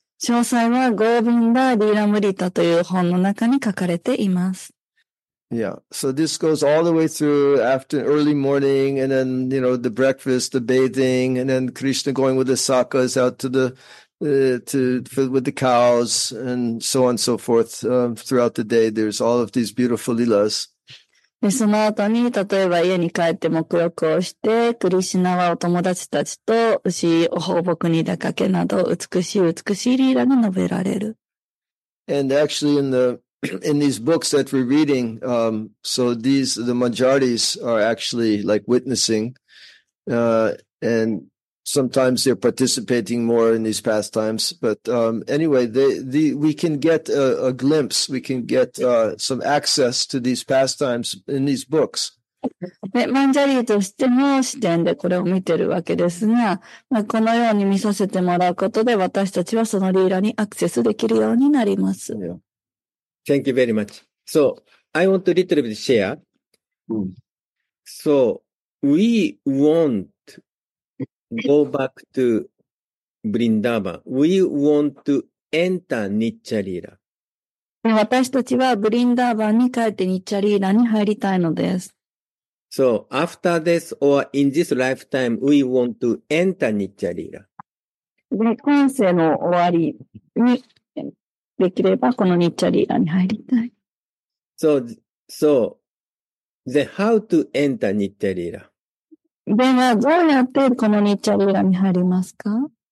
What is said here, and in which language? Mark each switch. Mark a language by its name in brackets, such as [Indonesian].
[Japanese] 詳細は、ゴヴィンダ・リラムリタという本の中に書かれています。 [English] Yeah, so this goes all the way through after early morning and then, you know, the breakfast, the bathing, and then Krishna going with the sakas out to the, with the cows and so on and so forth. Throughout the day, there's all of these beautiful lilas. [Japanese] で、その後に、例えば家に帰って沐浴をして、クリシュナはお友達たちと牛、放牧に出かけなど、美しいリーラが述べられる。 [English] And actually in these books that we're reading, so these, the Manjaris are actually like witnessing, and sometimes they're participating more in these pastimes. But, anyway, we can get a glimpse. We can get, some access to these pastimes in these books. [Japanese] で、マンジャリーとしての視点でこれを見てるわけですが、まあ、このように見させてもらうことで私たちはそのリーラにアクセスできるようになります。 [English] Yeah. Thank you very much. So, I want to little bit share. So, we won't go back to Vrindavan. We want to enter Nichalila. [Japanese] 私たちはブリンダーバンに帰ってニッチャリーラに入りたいのです。 [English] So, after this or in this lifetime, we want to enter Nichalila. [Japanese] で、今世の終わりに、できればこのニッチャリーラに入りたい。 [English] So, the how to enter ニッチャリーラ。 [Japanese] ではどうやってこのニッチャリーラに入りますか